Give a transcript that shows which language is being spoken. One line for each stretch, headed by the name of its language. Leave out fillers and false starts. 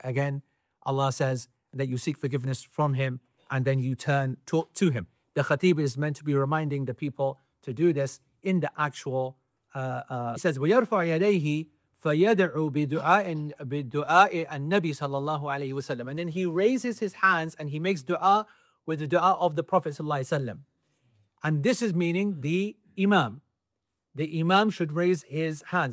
English: Again, Allah says that you seek forgiveness from Him and then you turn to Him. The khatib is meant to be reminding the people to do this in the actual. He says,
Arabic: وَيَرْفَعْ يَدَيْهِ فَيَدْعُ بِدُعَاءِ النَّبِي صلى الله عليه وسلم.
English: And then he raises his hands and he makes dua with the dua of the Prophet ﷺ. And this is meaning the imam. The imam should raise his hands.